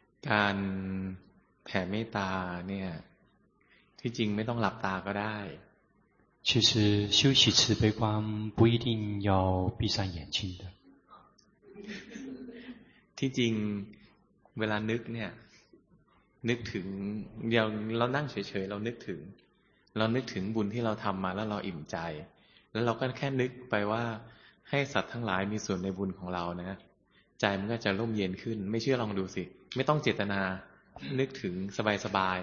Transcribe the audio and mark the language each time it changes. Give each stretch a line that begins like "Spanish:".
Thai: การแผ่เมตตาเนี่ยที่จริงไม่ต้องหลับตาก็ได้
Chinese: 其实修习慈悲观不一定要闭上眼睛的
Thai: ที่จริงเวลานึกเนี่ยนึกถึงเดี๋ยวเรานั่งเฉยๆเรานึกถึงเรานึกถึงบุญที่เราทำมาแล้วเราอิ่มใจแล้วเราก็แค่นึกไปว่าให้สัตว์ทั้งหลายมีส่วนในบุญของเรานะใจมันก็จะร่มเย็นขึ้นไม่เชื่อลองดูสิไม่ต้องเจตนานึกถึงสบาย